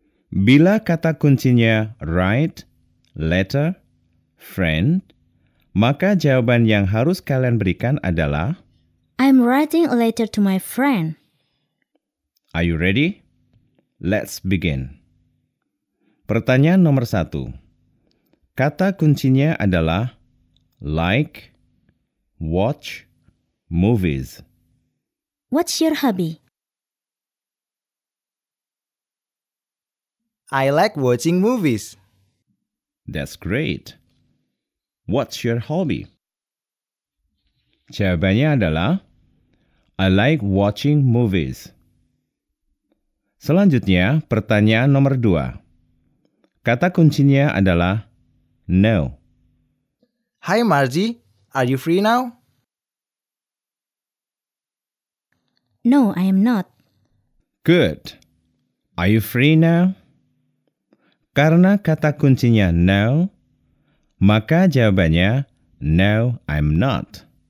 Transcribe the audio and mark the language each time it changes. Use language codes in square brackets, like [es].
[id] Bila kata kuncinya write, letter, friend, maka jawaban yang harus kalian berikan adalah [en] I'm writing a letter to my friend. Are you ready? Let's begin. [id] Pertanyaan nomor satu. Kata kuncinya adalah like, watch, movies. [en] What's your hobby? I like watching movies. That's great. What's your hobby? [id] Jawabannya adalah [en] I like watching movies. [id] Selanjutnya, pertanyaan nomor dua. Kata kuncinya adalah no. [en] Hi Margie, are you free now? No, I am not. Good. Are you free now? [id] Karena kata kuncinya no, maka jawabannya [en] no, I'm not.